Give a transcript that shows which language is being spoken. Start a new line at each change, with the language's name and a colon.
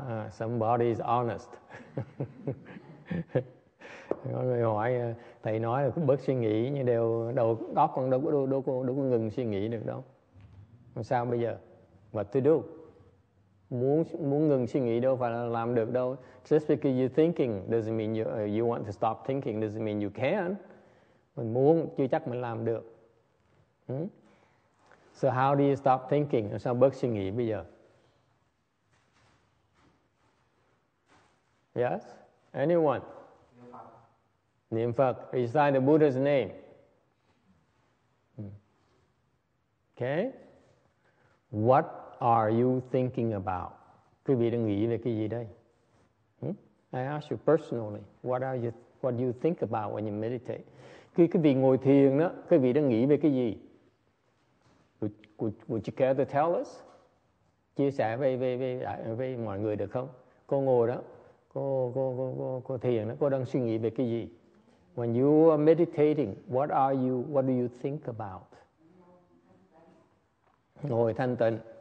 English: Somebody is honest.
Vietnamese: Có người hỏi thầy nói là cũng bớt suy nghĩ, nhưng đều đầu óc còn đâu có ngừng suy nghĩ được đâu. Làm sao bây giờ?
English: What to do?
Vietnamese: Muốn ngừng suy nghĩ đâu phải là làm được đâu.
English: Just because you're thinking doesn't mean you want to stop thinking doesn't mean you can.
Vietnamese: Mình muốn chưa chắc mình làm được.
English: So how do you stop thinking?
Vietnamese: Làm sao bớt suy nghĩ bây giờ?
English: Yes? Anyone? Niệm Phật, recite the Buddha's name. Okay. What are you thinking about?
Vietnamese: Quý vị đang nghĩ về cái gì đây?
English: I ask you personally, what do you think about when you meditate?
Vietnamese: Quý vị ngồi thiền đó, quý vị đang nghĩ về cái gì?
English: Would you care to tell us?
Vietnamese: Chia sẻ với mọi người được không? Cô ngồi đó, cô thiền đó, cô đang suy nghĩ về cái gì?
English: When you are meditating, what do you think about?
Vietnamese: Ngồi thanh tịnh.